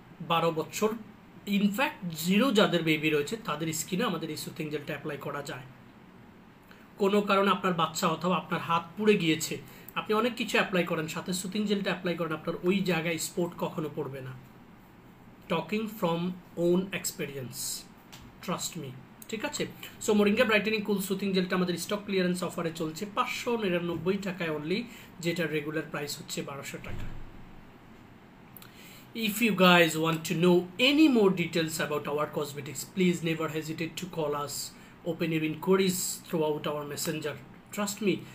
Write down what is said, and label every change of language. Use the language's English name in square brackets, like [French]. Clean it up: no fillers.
[Bangla] 12 বছর, ইনফ্যাক্ট 0 যাদের বেবি রয়েছে তাদের স্কিনে আমাদের এই সুথিং জেলটা অ্যাপ্লাই করা যায়। কোনো কারণে আপনার বাচ্চা অথবা আপনার হাত পুড়ে গিয়েছে, আপনি অনেক কিছু অ্যাপ্লাই করেন, সাথে সুথিং জেলটা অ্যাপ্লাই করেন, আপনার ওই জায়গায় স্পট কখনো পড়বে না। [English] Talking from own experience, trust me, [Bangla] ঠিক আছে। সো মোরিঙ্গা ব্রাইটেনিং কুল সুথিং জেলটা আমাদের স্টক ক্লিয়ারেন্স অফারে চলছে 599 টাকায় অনলি, যেটার রেগুলার প্রাইস হচ্ছে 1200 টাকা। [English] If you guys want to know any more details about our cosmetics, please never hesitate to call us, open your inquiries throughout our messenger, trust me.